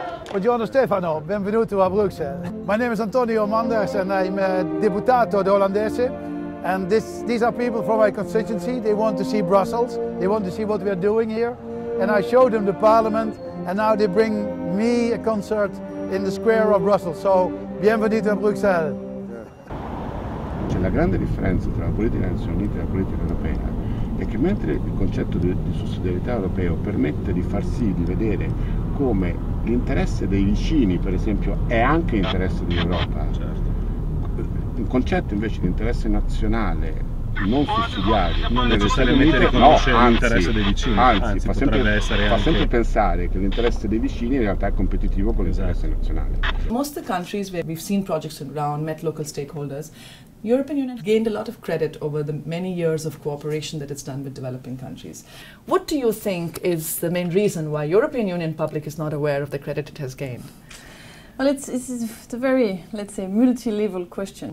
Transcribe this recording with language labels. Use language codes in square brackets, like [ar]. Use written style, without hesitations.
[it] Buongiorno Stefano, benvenuto a Bruxelles. [en] My name is Antonio Manders and I'm a [it] deputato de Hollandese. [en] And these are people from my constituency. They want to see Brussels. They want to see what we are doing here. And I showed them the parliament and now they bring me a concert in the square of Brussels. [it] So, bienvenuto a Bruxelles. La grande differenza tra la politica delle Nazioni Unite e la politica europea è che mentre il concetto di sussidiarietà europeo permette di far sì di vedere come l'interesse dei vicini, per esempio, è anche interesse dell'Europa, certo. Il concetto invece di interesse nazionale non sussidiario non necessariamente riconosce l'interesse dei vicini, anzi fa, sempre, essere fa anche... sempre pensare che l'interesse dei vicini in realtà è competitivo con l'interesse nazionale. [en] Most the countries where we've seen projects around met local stakeholders, European Union gained a lot of credit over the many years of cooperation that it's done with developing countries. What do you think is the main reason why European Union public is not aware of the credit it has gained? Well, it's a very, let's say, multi-level question.